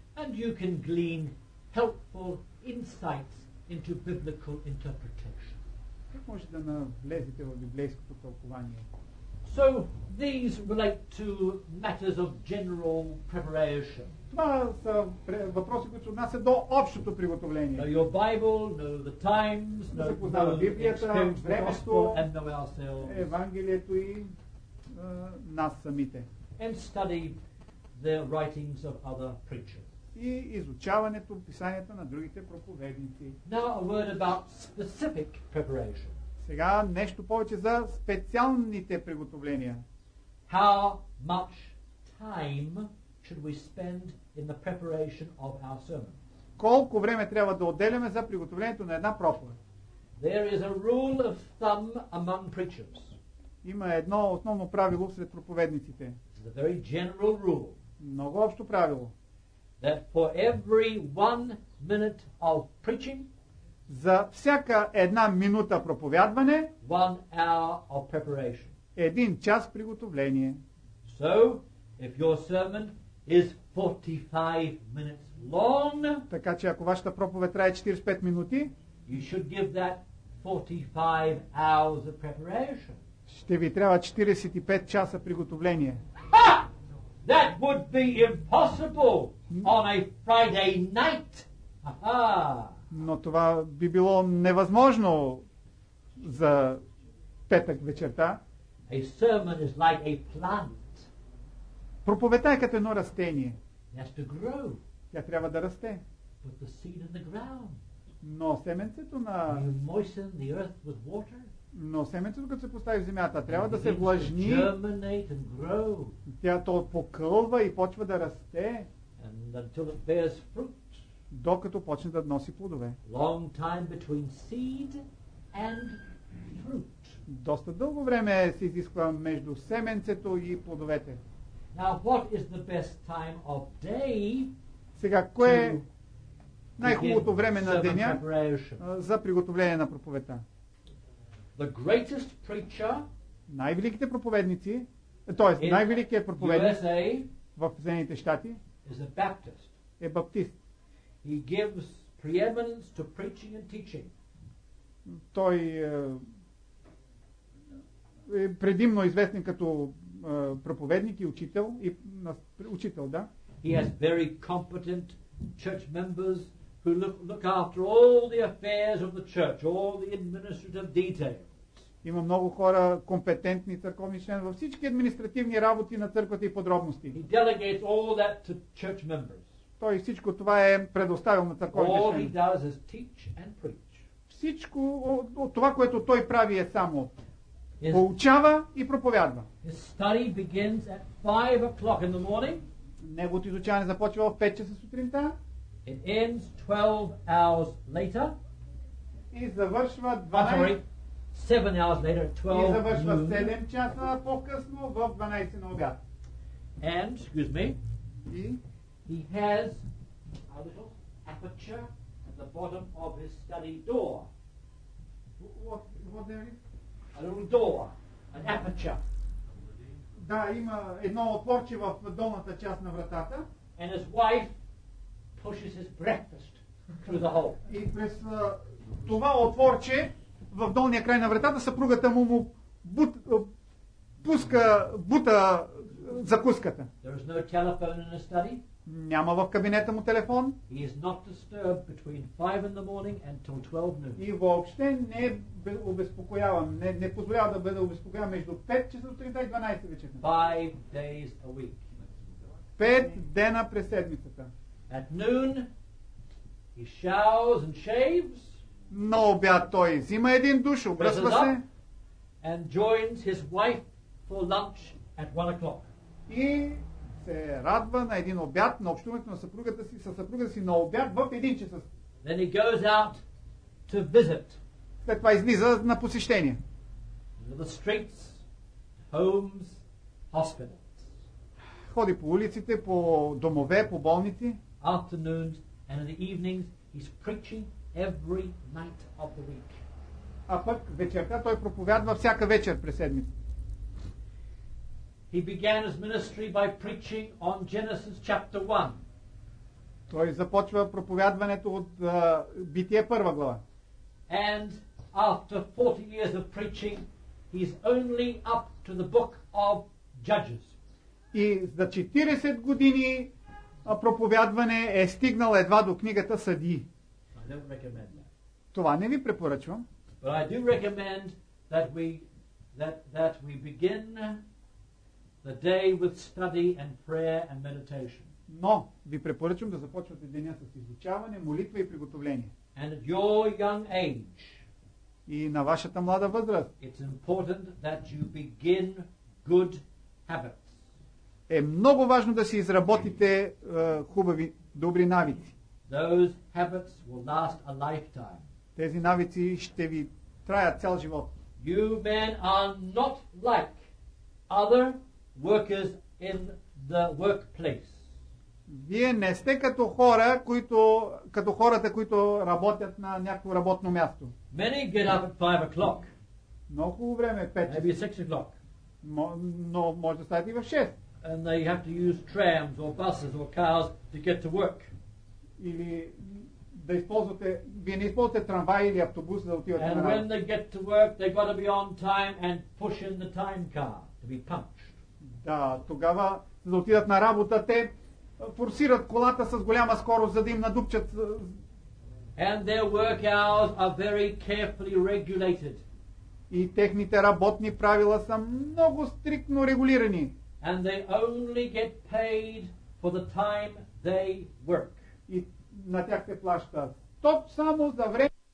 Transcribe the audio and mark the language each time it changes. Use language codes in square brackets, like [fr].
[en] And you can glean helpful insights into biblical interpretation. [bg] Как можете да навлезете в библейското тълкование? [en] So these relate to matters of general preparation. [bg] Това са въпроси, които отнасят до общото приготовление. [en] Know your Bible, know the times, know the [bg] Библията, времето, [en] and know ourselves. [bg] Евангелието и нас самите. [en] And study the writings of other preachers. [bg] И изучаването писанията на другите проповедници. [en] Now a word about specific preparation. [bg] Сега нещо повече за специалните приготовления. [en] How much time should we spend in the preparation of our sermon? [bg] Колко време трябва да отделяме за приготовлението на една проповед? [en] There is a rule of thumb among preachers. [bg] Има едно основно правило сред проповедниците. [en] It's a very general rule. [bg] Много общо правило. [en] That for every one minute of preaching, [bg] за всяка една минута проповядване, [en] one hour of preparation. [bg] Един час приготовление. [en] So, if your sermon is 45 minutes long, [bg] така че ако вашата проповед трае 45 минути, [en] you should give that 45 hours of preparation. [bg] Ще ви трябва 45 часа приготовление. Ha! [en] That would be impossible on a Friday night. Aha! [bg] Но това би било невъзможно за петък вечерта. [en] A sermon is like a plant. [bg] Проповедта е като едно растение. [en] It has to grow. [bg] Тя трябва да расте. [en] Put the seed in the ground. [bg] Но семенцето на... [en] You moisten the earth with water. [bg] Но семенцето, като се постави в земята, трябва да се влажни. [en] Germinate and grow. [bg] Тя то покълва и почва да расте. [en] And until it bears fruit. [bg] Докато почне да носи плодове. [en] Long time between seed and fruit. [bg] Доста дълго време се изисква между семенцето и плодовете. [en] Now, what is the best time of day? [bg] Сега, кое е най-хубавото време на деня за приготовление на проповедта? [en] The greatest preacher, [bg] най-великите проповедници, т.е. най-великият проповедник [en] USA [bg] в Съединените щати, [en] is a Baptist. [bg] Е баптист. [en] He gives preeminence to preaching and teaching. [bg] Той е предимно известен като проповедник и учител и учител, да. [en] He has very competent church members who look after all the affairs of the church, all the administrative details. [bg] Има много хора компетентни църковни членове във всички административни работи на църквата и подробности. [en] He delegates all that to church members. [bg] Той всичко това е предоставил на църковните членове. Всичко от това, което той прави, е само поучава и проповядва. [en] His study begins at 5 o'clock in the morning. [bg] Неговото изучаване започва в 5 часа сутринта. [en] It ends 12 hours later. [bg] И завършва 12... [en] Sorry, 7 hours later at 12 [bg] и завършва 7 часа по-късно в 12 на обяд. [en] And, excuse me, [bg] и [en] he has a little aperture at the bottom of his study door. What there is? A little door, an aperture. [bg] Да, има едно отворче в долната част на вратата. [en] And his wife pushes his breakfast through the hole. [bg] И през това отворче в долния край на вратата съпругата му бута закуската. [en] There is no telephone in the study. [bg] Няма в кабинета му телефон. [en] He is not disturbed between 5 in the morning and till 12 noon. [bg] И въобще не е обезпокояван, не позволява да бъде обезпокояван между 5 часа сутринта и 12 вечерта. [en] 5 days a week. [bg] 5 дена през седмицата. [en] At noon he showers and shaves. [bg] На обяд той взима един душ, обръсва се. [en] And joins his wife for lunch at 1 o'clock. [bg] И се радва на един обяд, на общуването на съпругата си, със съпруга си на обяд в 1 часа. [en] Then he goes out to visit. [bg] След това излиза на посещение. [en] The streets, homes, hospitals. [bg] Ходи по улиците, по домове, по болници. [en] Afternoons and in the evenings he's preaching every night of the week. [bg] А пък вечерта той проповядва всяка вечер през седмицата. [en] He began his ministry by preaching on Genesis chapter 1. [bg] Той започва проповядването от Битие първа глава. [en] And after 40 years of preaching, he's only up to the book of Judges. [bg] И за 40 години проповядване е стигнал едва до книгата Съдии. [en] I don't recommend that. [bg] Това не ви препоръчвам. [en] But I do recommend that we begin the day with study and prayer and meditation. [bg] Но ви препоръчвам да започвате деня с изучаване, молитва и приготовление. [en] And at your young age. [bg] И на вашата млада възраст. [en] It's important that you begin good habits. [bg] Е много важно да си изработите хубави, добри навици. [en] Those habits will last a lifetime. [bg] Тези навици ще ви траят цял живот. [en] You men are not like other workers in the workplace. [bg] Вие не сте като хора, като хората, които работят на някакво работно място. [en] Many get up at 5 o'clock. [bg] Много време, 5 часа. [en] Maybe 6 o'clock. [bg] Но може да стоят и в 6. [en] And they have to use trams or buses or cars to get to work. [bg] Или да използвате, вие не използвате трамвай или автобус за да отивате на работа. [en] And when they get to work, they got to be on time and push in the time car to be punched. [bg] Да, тогава за да отидат на работа, те форсират колата с голяма скорост, за да им надупчат. [en] And their work hours are very carefully regulated. [bg] И техните работни правила са много стриктно регулирани. [en] And they only get paid for the time they work. [bg] На тях те плаща. Топ само за време.